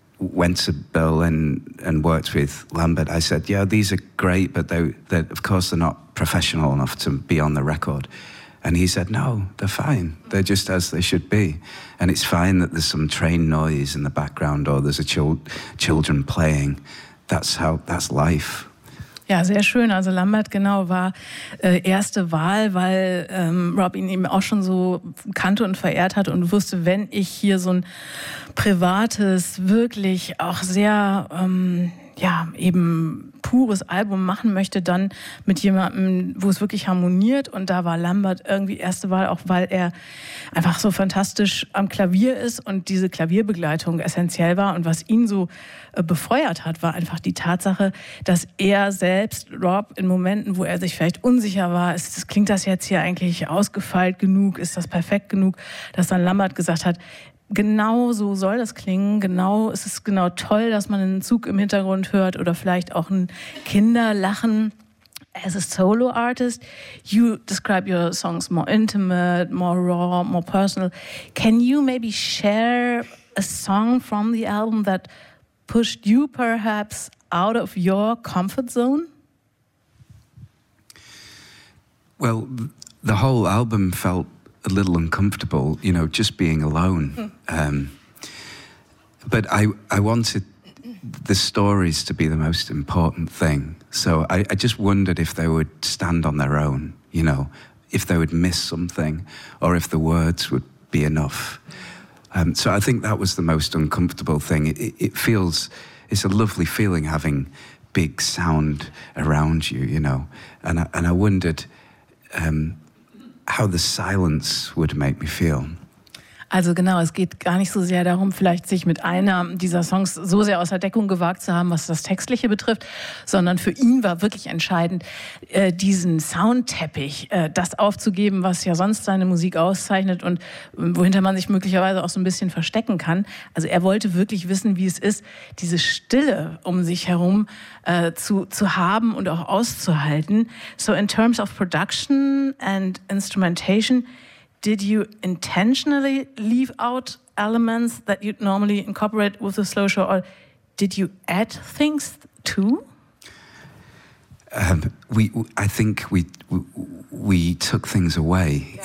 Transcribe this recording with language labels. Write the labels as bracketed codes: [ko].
[en] went to Berlin and worked with Lambert, I said, yeah, these are great, but they're, of course they're not professional enough to be on the record. And he said, no, they're fine. They're just as they should be. And it's fine that there's some train noise in the background or there's a children playing. That's life. [de] Ja, sehr schön. Also Lambert, genau, war erste Wahl, weil Rob ihn eben auch schon so kannte und verehrt hat und wusste, wenn ich hier so ein privates, wirklich auch sehr, ja, eben pures Album machen möchte, dann mit jemandem, wo es wirklich harmoniert. Und da war Lambert irgendwie erste Wahl, auch weil er einfach so fantastisch am Klavier ist und diese Klavierbegleitung essentiell war. Und was ihn so befeuert hat, war einfach die Tatsache, dass er selbst Rob in Momenten, wo er sich vielleicht unsicher war, klingt das jetzt hier eigentlich ausgefeilt genug, ist das perfekt genug, dass dann Lambert gesagt hat, genau so soll das klingen, genau, es ist genau toll, dass man einen Zug im Hintergrund hört oder vielleicht auch ein Kinderlachen. [en] As a solo artist, you describe your songs more intimate, more raw, more personal. Can you maybe share a song from the album that pushed you perhaps out of your comfort zone? Well, the whole album felt a little uncomfortable, you know, just being alone. But I wanted the stories to be the most important thing. So I just wondered if they would stand on their own, you know, if they would miss something or if the words would be enough. So I think that was the most uncomfortable thing. It's a lovely feeling having big sound around you, you know. And I wondered how the silence would make me feel. [de] Also genau, es geht gar nicht so sehr darum, vielleicht sich mit einer dieser Songs so sehr aus der Deckung gewagt zu haben, was das Textliche betrifft, sondern für ihn war wirklich entscheidend, diesen Soundteppich, das aufzugeben, was ja sonst seine Musik auszeichnet und wohinter man sich möglicherweise auch so ein bisschen verstecken kann. Also er wollte wirklich wissen, wie es ist, diese Stille um sich herum zu haben und auch auszuhalten. [en] So in terms of production and instrumentation, did you intentionally leave out elements that you'd normally incorporate with a slow show, or did you add things too? I think we took things away, yeah.